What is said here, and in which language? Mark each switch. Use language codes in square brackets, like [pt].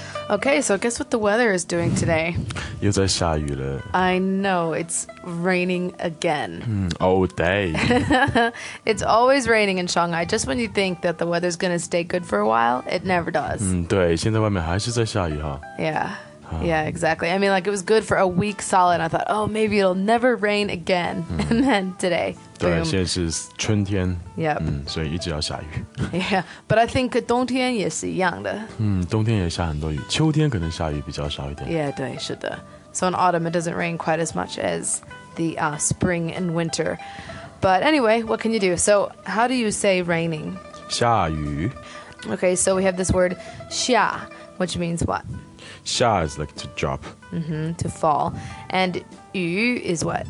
[en] Okay, so guess what the weather is doing today? [zh] 又在下雨了. [en] I know, it's raining again. All day. It's always raining in Shanghai. Just when you think that the weather's gonna stay good for a while, it never does. [zh] 对,现在外面还是在下雨哈. [en] Yeah. Yeah, exactly. I mean, like, it was good for a week solid. I thought, oh, maybe it'll never rain again. And then today, boom. [zh] 对,现在是春天. [en] Yep. [zh] 所以一直要下雨. [en] Yeah, but I think [zh] 冬天也是一样的. 冬天也下很多雨. 秋天可能下雨比较少一点. Yeah, 对,是的. [en] So in autumn, it doesn't rain quite as much as the spring and winter. But anyway, what can you do? So how do you say raining? [zh] 下雨. [en] Okay, so we have this word 下, which means what? 下 is like to drop. Mm-hmm, to fall. And 雨 is what?